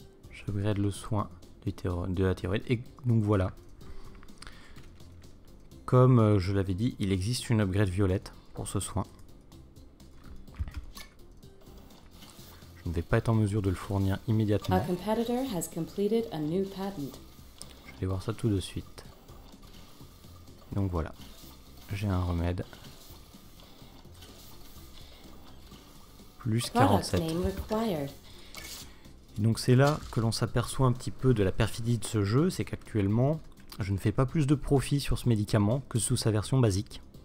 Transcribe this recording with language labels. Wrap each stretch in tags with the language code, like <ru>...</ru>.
<fr>Je upgrade le soin de la thyroïde, et donc voilà. Comme je l'avais dit, il existe une upgrade violette pour ce soin. Je ne vais pas être en mesure de le fournir immédiatement.</fr> <en>A competitor has completed a new patent.</en> <fr>Je vais voir ça tout de suite. Donc voilà, j'ai un remède. Plus 47.</fr> <en>Product name required.</en> <fr>Et donc c'est là que l'on s'aperçoit un petit peu de la perfidie de ce jeu, c'est qu'actuellement, je ne fais pas plus de profit sur ce médicament que sous sa version basique.</fr>